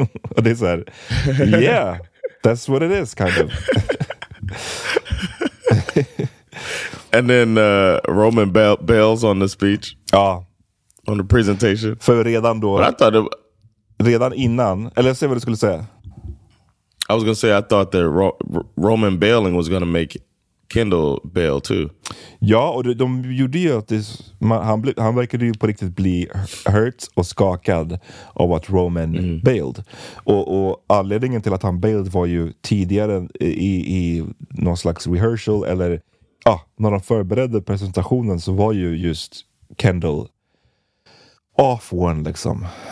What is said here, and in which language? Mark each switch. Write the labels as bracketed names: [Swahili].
[Swedish] Och det är så här, [English] yeah, that's what it is, kind of. And then Roman bails on the speech. [Swedish] Ja. [English] On the presentation. [Swedish] För redan då. [English] But I thought it [Swedish] redan innan, eller jag ser vad du skulle säga. [English] I was going to say, I thought that Roman bailing was going to make Kendall bail too. [Swedish] Ja, och de gjorde ju att det, han verkade ju på riktigt bli hurt och skakad av att Roman bailed. Och anledningen till att han bailed var ju tidigare i någon slags rehearsal eller när de förberedde presentationen, så var ju just Kendall off one liksom.